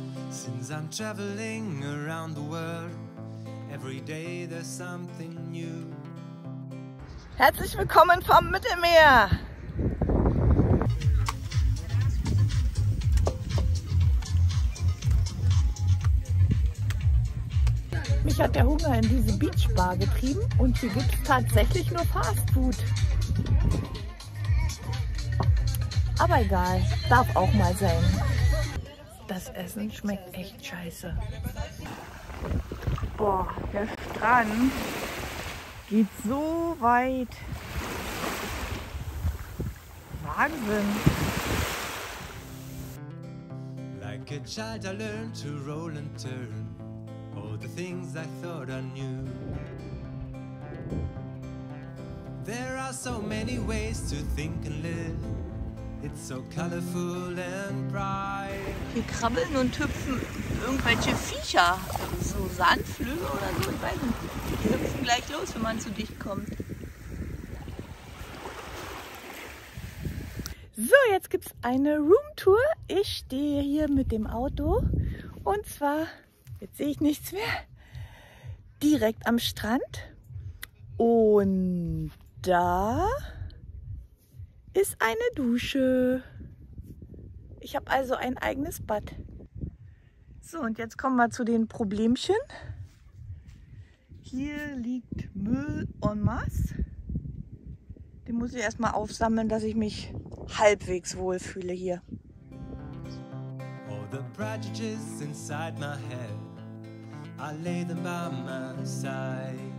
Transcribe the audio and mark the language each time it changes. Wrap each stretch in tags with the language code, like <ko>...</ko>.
<en>Since I'm traveling around the world, every day there's something new.</en> <de>Herzlich willkommen vom Mittelmeer. Mich hat der Hunger in diese Beachbar getrieben und hier gibt es tatsächlich nur Fastfood. Aber egal, darf auch mal sein. Das Essen schmeckt echt scheiße. Boah, der Strand geht so weit. Wahnsinn.</de> <en>Like a child I learned to roll and turn. All the things I thought I knew. There are so many ways to think and live. It's so colorful and bright.</en> <de>Hier krabbeln und hüpfen irgendwelche Viecher. So Sandflügel oder so. Ich weiß nicht. Die hüpfen gleich los, wenn man zu dicht kommt. So, jetzt gibt's eine Roomtour. Ich stehe hier mit dem Auto. Und zwar, jetzt sehe ich nichts mehr. Direkt am Strand. Und da ist eine Dusche. Ich habe also ein eigenes Bad. So, und jetzt kommen wir zu den Problemchen. Hier liegt Müll en masse. Den muss ich erstmal aufsammeln, dass ich mich halbwegs wohlfühle hier.</de> <en>All the prejudices inside my head, I lay them by my side.</en>